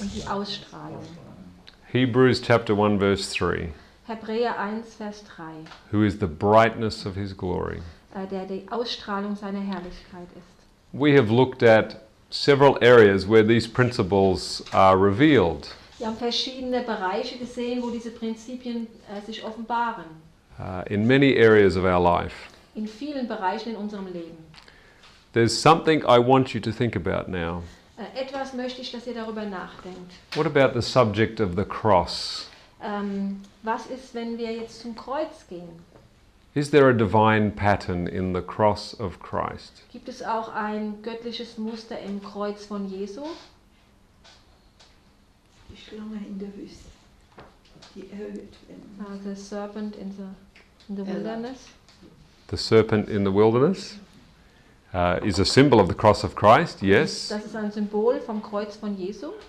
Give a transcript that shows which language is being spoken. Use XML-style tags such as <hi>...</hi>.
<de>Und die Ausstrahlung.</de> <en>Hebrews chapter 1, verse 3.</en> <de>Hebräer 1, Vers 3.</de> <en>Who is the brightness of his glory?</en> <de>Der die Ausstrahlung seiner Herrlichkeit ist.</de> <en>We have looked at several areas where these principles are revealed.</en> <de>Wir haben verschiedene Bereiche gesehen, wo diese Prinzipien sich offenbaren.</de> <en>In many areas of our life.</en> <de>In vielen Bereichen in unserem Leben.</de> <en>There's something I want you to think about now.</en> <de>Etwas möchte ich, dass ihr darüber nachdenkt.</de> <en>What about the subject of the cross?</en> <de>Was ist, wenn wir jetzt zum Kreuz gehen?</de> <en>Is there a divine pattern in the cross of Christ?</en> <de>Gibt es auch ein göttliches Muster im Kreuz von Jesu? Die Schlange in der Wüste, die erhöht werden.</de> <en>The serpent in the wilderness. The serpent in the wilderness is a symbol of the cross of Christ. Yes.</en> <de>Das ist ein Symbol vom Kreuz von Jesu.</de>